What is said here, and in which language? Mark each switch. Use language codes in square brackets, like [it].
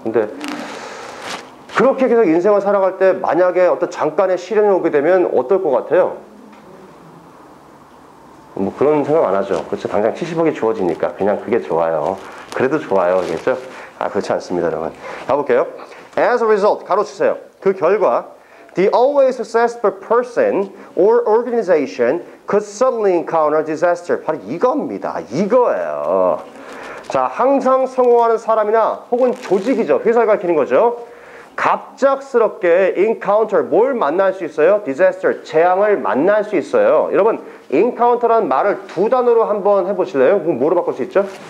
[ko] 근데 그렇게 계속 인생을 살아갈 때 만약에 어떤 잠깐의 시련이 오게 되면 어떨 것 같아요? 뭐 그런 생각 안 하죠. 그렇죠. 당장 70억이 주어지니까 그냥 그게 좋아요. 그래도 좋아요. 알겠죠? 아, 그렇지 않습니다, 여러분. 가볼게요. [en] As a result, [ko] 가로치세요. 그 결과, [en] the always successful person or organization could suddenly encounter disaster. [ko] 바로 이겁니다. 이거예요. 자, 항상 성공하는 사람이나 혹은 조직이죠. 회사를 가리키는 거죠. 갑작스럽게 encounter, 뭘 만날 수 있어요? disaster, 재앙을 만날 수 있어요. 여러분, encounter라는 말을 두 단어로 한번 해보실래요? 그럼 뭐로 바꿀 수 있죠?